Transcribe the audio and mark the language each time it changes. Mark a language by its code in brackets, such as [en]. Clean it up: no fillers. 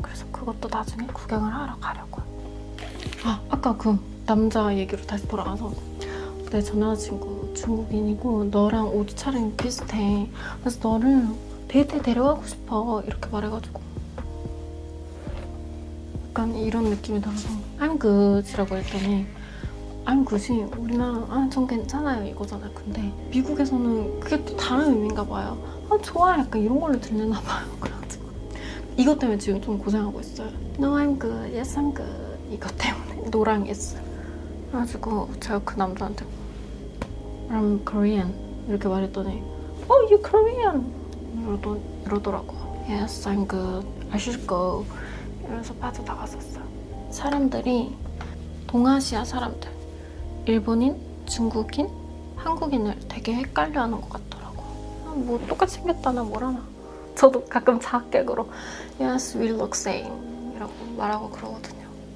[ko] 그래서 그것도 나중에 구경을 하러 가려고요. 아까 그 남자 얘기로 다시 돌아가서 내 전여자친구 중국인이고 너랑 옷 차림 비슷해 그래서 너를 데이트에 데려가고 싶어 이렇게 말해가지고 약간 이런 느낌이 들어서 [en] I'm good [ko] 이라고 했더니 I'm good이 우리나라 전 괜찮아요 이거잖아요. 근데 미국에서는 그게 또 다른 의미인가 봐요. 좋아 약간 이런 걸로 들리나 봐요. 그래가지고 이것 때문에 지금 좀 고생하고 있어요. [en] No I'm good, yes I'm good [ko] 이것 때문에 노랑 yes 그래가지고 제가 그 남자한테 [en] I'm Korean [ko] 이렇게 말했더니 [en] Oh, you Korean! [ko] 이러더라고 [en] Yes, I'm good. I should go. [ko] 이러면서 빠져나갔었어. 사람들이 동아시아 사람들 일본인, 중국인, 한국인을 되게 헷갈려하는 것 같더라고. 뭐 똑같이 생겼다나 뭐라나 저도 가끔 자학객으로 [en] Yes, we look same [ko] 이라고 말하고 그러거든요.